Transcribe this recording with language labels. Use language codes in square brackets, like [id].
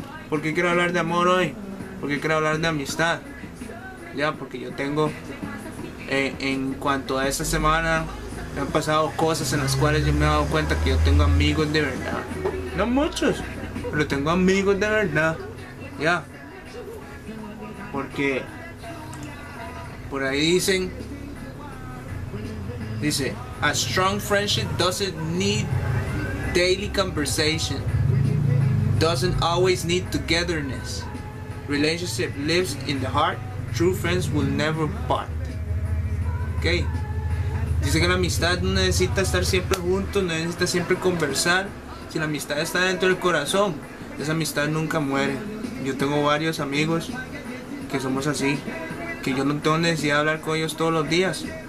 [es] ¿Por qué quiero hablar de amor hoy? ¿Por qué quiero hablar de amistad? Ya, porque yo tengo, en cuanto a esta semana, me han pasado cosas en las cuales yo me he dado cuenta que yo tengo amigos de verdad. No muchos, pero tengo amigos de verdad. Ya. Porque por ahí dicen, dice, [en] a strong friendship doesn't need daily conversation, doesn't always need togetherness. Relationship lives in the heart. True friends will never part. [es] Okay. Dice que la amistad no necesita estar siempre juntos, no necesita siempre conversar. Si la amistad está dentro del corazón, esa amistad nunca muere. Yo tengo varios amigos que somos así, que yo no tengo necesidad de hablar con ellos todos los días.